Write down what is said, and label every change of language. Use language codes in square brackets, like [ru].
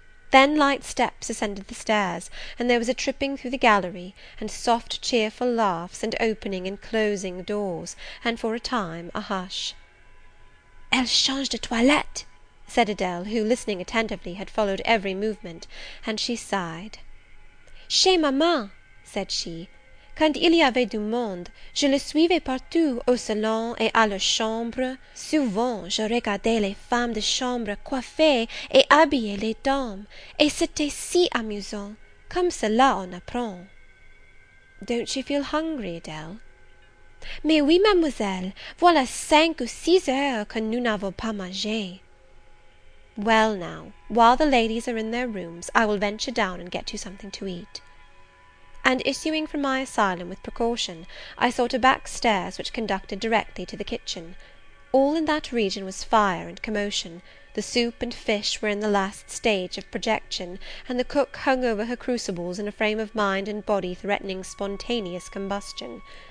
[en] Then light steps ascended the stairs, and there was a tripping through the gallery, and soft, cheerful laughs, and opening and closing doors, and for a time a hush. [fr] "Elle change de toilette," [en] said Adèle, who, listening attentively, had followed every movement, and she sighed. [fr] "Chez maman," [en] said she, [fr] "quand il y avait du monde, je le suivais partout, au salon et à la chambre. Souvent, je regardais les femmes de chambre coiffées et habillées les dames, et c'était si amusant. Comme cela on apprend." [en] "Don't you feel hungry, Adèle?" [fr] "Mais oui, mademoiselle, voilà 5 ou 6 heures que nous n'avons pas mangé." [en] "Well, now, while the ladies are in their rooms, I will venture down and get you something to eat." And issuing from my asylum with precaution, I sought a back stairs which conducted directly to the kitchen. All in that region was fire and commotion. The soup and fish were in the last stage of projection, and the cook hung over her crucibles in a frame of mind and body threatening spontaneous combustion.